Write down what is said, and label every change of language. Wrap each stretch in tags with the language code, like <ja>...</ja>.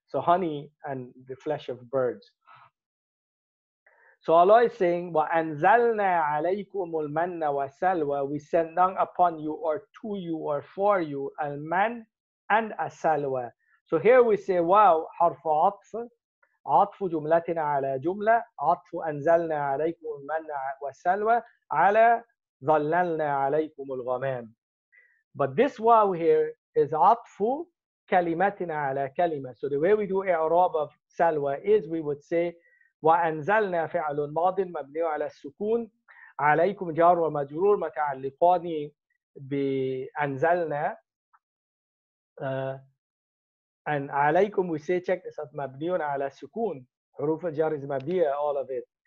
<en>So honey and the flesh of birds. So Allah is saying,</en> <ar>وَأَنْزَلْنَا عَلَيْكُمُ الْمَنَّ وَسَلْوَى.</ar> <en>We send down upon you, or to you, or for you, al-man and as-salwa. So here we say, wow, harf عطف.</en> <ar>عطف جملتنا على جملة. عطف أنزلنا عليكم المنّ والسلوى على ظللنا عليكم الغمام.</ar> <en>But this wow here is</en> <ar>عطف كلمتنا على كلمة.</ar> <en>So the way we do</en> <ar>إعراب of سلوى is</ar> <en>we would say,</en> <ar>وأنزلنا فعل ماض مبني على السكون عليكم جار ومجرور متعلقان بأنزلنا and عليكم</ar> <en>we say check this out</en> <ar>مبني على السكون حروف الجر is مبني</ar> <en>all of it.</en>